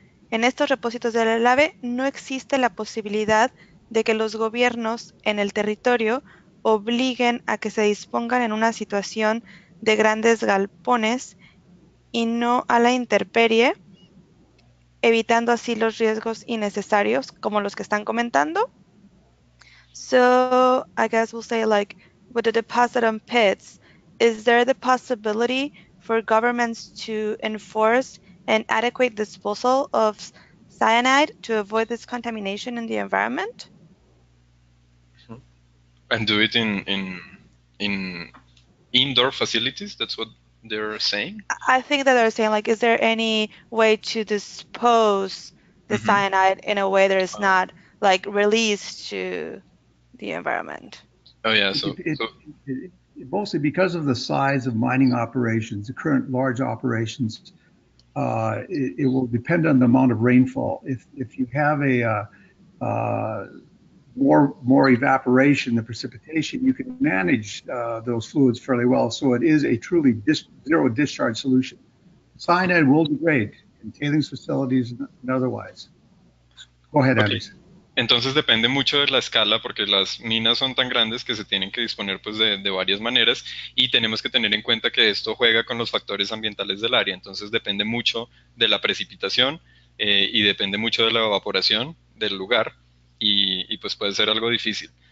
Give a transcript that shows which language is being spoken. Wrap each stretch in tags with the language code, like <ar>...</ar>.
<es>En estos repósitos de relave no existe la posibilidad de que los gobiernos en el territorio obliguen a que se dispongan en una situación de grandes galpones y no a la intemperie, evitando así los riesgos innecesarios como los que están comentando.</es> <en>So, I guess we'll say like, with the deposit on pits, is there the possibility for governments to enforce an adequate disposal of cyanide to avoid this contamination in the environment? And do it in indoor facilities, that's what they're saying. I think that they're saying, like, is there any way to dispose the cyanide in a way that is not like released to the environment? Oh yeah, Mostly because of the size of mining operations, the current large operations. It will depend on the amount of rainfall. If you have a more evaporation, the precipitation, you can manage those fluids fairly well. So it is a truly zero discharge solution. Cyanide will degrade in tailings facilities and otherwise. Go ahead, Andres.</en> <es>Entonces depende mucho de la escala porque las minas son tan grandes que se tienen que disponer pues de varias maneras y tenemos que tener en cuenta que esto juega con los factores ambientales del área. Entonces depende mucho de la precipitación y depende mucho de la evaporación del lugar y pues puede ser algo difícil.</es>